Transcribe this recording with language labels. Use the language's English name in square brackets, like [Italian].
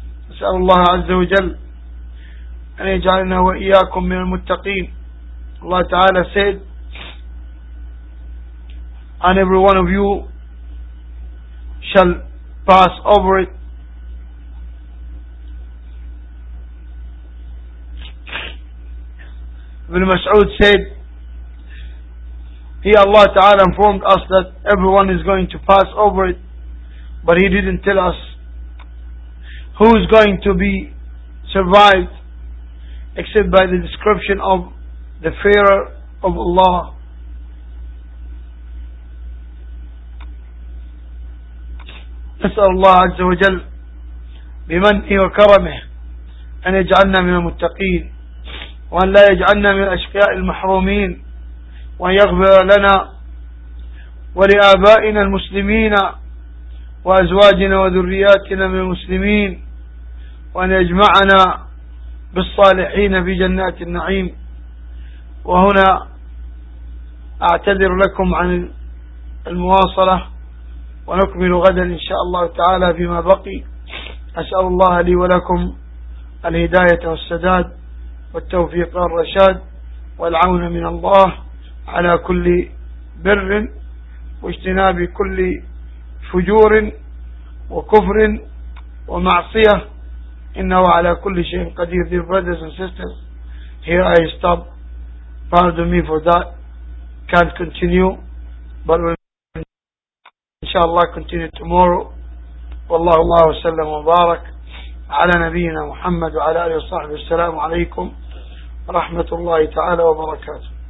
[Arabic] أسأل الله عز وجل أن يجعلنا وإياكم من المتقين. [English] الله تعالى said and every one of you shall pass over it. Ibn Mas'ud said he, Allah Ta'ala, informed us that everyone is going to pass over it, but he didn't tell us who is going to be survived except by the description of the fearer of Allah. [Arabic] نسأل الله عز وجل بمنه وكرمه أن يجعلنا من المتقين وأن لا يجعلنا من الأشقياء المحرومين وأن يغفر لنا ولآبائنا المسلمين وأزواجنا وذرياتنا من المسلمين وأن يجمعنا بالصالحين في جنات النعيم. وهنا أعتذر لكم عن المواصلة ونكمل غدا إن شاء الله تعالى فيما بقي. أسأل الله لي ولكم الهداية والسداد والتوفيق والرشاد والعون من الله على كل بر واجتناب كل فجور وكفر ومعصية. إنه على كل شيء قدير. [English] Dear brothers and sisters, here I stop. Pardon me for that. Can't continue. But [Arabic] إن شاء الله [English] continue tomorrow. [Arabic] والله الله وسلم وبارك على نبينا محمد وعلى آله وصحبه. السلام عليكم ورحمة الله تعالى وبركاته.